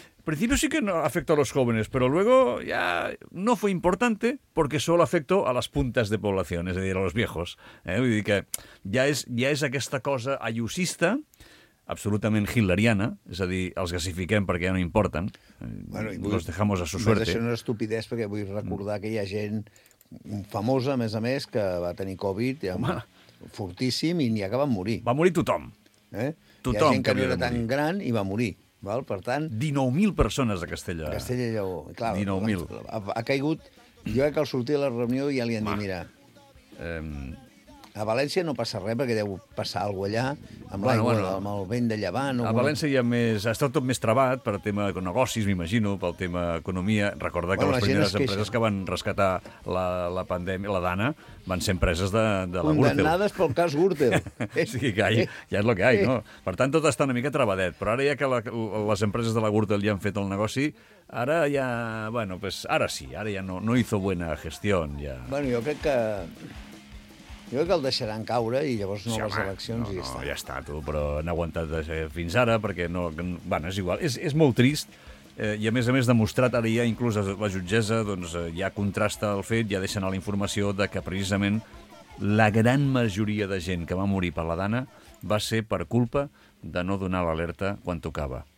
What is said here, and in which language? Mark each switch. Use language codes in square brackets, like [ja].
[es] Al principio sí que no afectó a los jóvenes, pero luego ya no fue importante porque solo afectó a las puntas de población, es decir, a los viejos. [ca] Vull dir que ja és aquesta cosa ayusista, absolutament hitleriana, és a dir, els gasifiquem perquè ja no importen, los dejamos a su suerte. Això no és estupidesa perquè vull recordar que hi ha gent famosa, a més, que va tenir Covid, fortíssim, i n'hi acaben morir. Va morir tothom. Tothom. Hi ha gent que no era tan gran i va morir. Val? Per tant, 19.000 persones a Castella. A Castella i Lleó. Clar, 19.000. Ha caigut. Jo crec que al sortir de la reunió ja li han dit, mira... A València no passa res, perquè deu passar alguna cosa allà, amb l'aigua, amb el vent de llevant... A València hi ha més... Està tot més trabat per tema de negocis, m'imagino, pel tema economia. Recorda que les primeres empreses que van rescatar la pandèmia, la Dana, van ser empreses de la Gürtel. Condemnades pel cas Gürtel. Sí, que ja és el que hi ha, no? Per tant, tot està una mica trabadet. Però ara ja que les empreses de la Gürtel ja han fet el negoci, ara ja... Bueno, pues ara sí, ara ja no hizo buena gestión, ja. Bueno, jo crec que... el deixaran caure i llavors no sí, les eleccions no, i ja està. No, ja està, tu, però han aguantat fins ara, perquè no... Bueno, és igual, és molt trist, i a més demostrat, ara ja inclús la jutgessa, doncs ja contrasta el fet, ja deixa anar la informació de que precisament la gran majoria de gent que va morir per la Dana va ser per culpa de no donar l'alerta quan tocava.